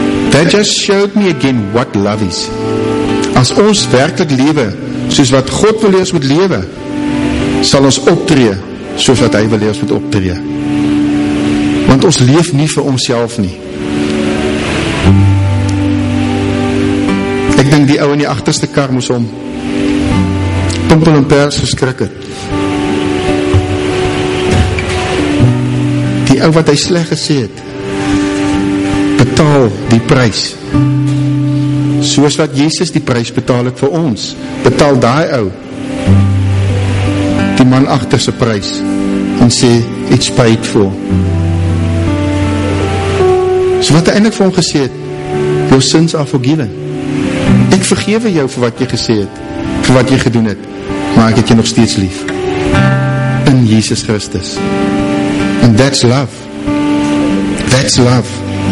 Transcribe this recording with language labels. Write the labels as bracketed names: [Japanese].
[English] That just showed me again what love is. [Afrikaans] As ons werklik lewe soos wat God wil hê ons moet lewe, sal ons optree soos wat hy wil hê ons moet optree. Want ons leef nie vir onsself nie. Ek dink die ou in die agterste kar moes hom pompel en pers geskrik het. Die ou wat hy sleg gesê het, betaal die prys. Soos wat Jesus die prys betaal het vir ons, betaal daai ou die man agter se prys en sê, [English] "It's paid for." [Afrikaans] So wat hy eindelijk vir hom gesê het, [English] "Your sins are forgiven. [Afrikaans] Ek vergewe jou vir wat jy gesê het, vir wat jy gedoen het, maar ek het jy nog steeds lief. In Jesus Christus." [English] And that's love. That's love.